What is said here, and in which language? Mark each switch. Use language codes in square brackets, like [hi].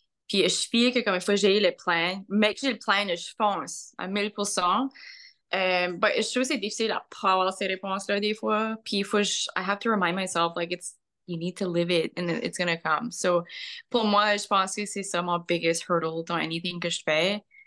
[fr] Puis je suis que, comme, il faut que j'aie le plan. Mais que j'ai le plan, je fonce à 1000%. But je trouve que c'est difficile à pas avoir ces réponses-là, des fois. Puis il faut, [en] I have to remind myself, like, it's, you need to live it and it's gonna come. [fr] So pour moi, je pense que c'est ça mon [en] biggest hurdle [fr] dans [en] anything [fr] que je fais.